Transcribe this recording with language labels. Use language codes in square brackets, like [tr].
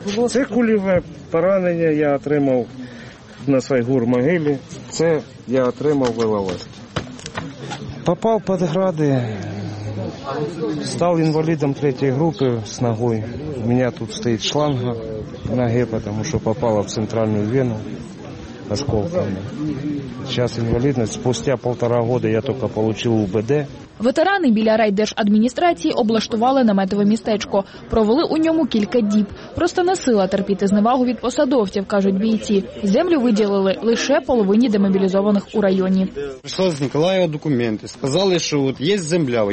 [uk] Це кульове поранення я отримав на Сайгур могилі. Це я отримав в Іловайську. Попав під гради, став інвалідом 3-ї групи з ногою. У мене тут стоїть шланга ноги, тому що попала в центральну вену. [ru] осколками. Сейчас инвалидность. Спустя полтора года я только получил УБД. [uk] Ветерани біля райдержадміністрації облаштували наметове містечко. Провели у ньому кілька діб. Просто не сила терпіти зневагу від посадовців, кажуть бійці. Землю виділили лише половині демобілізованих у районі. Прийшла з Ніколаєва документи. Сказали, що от є земля.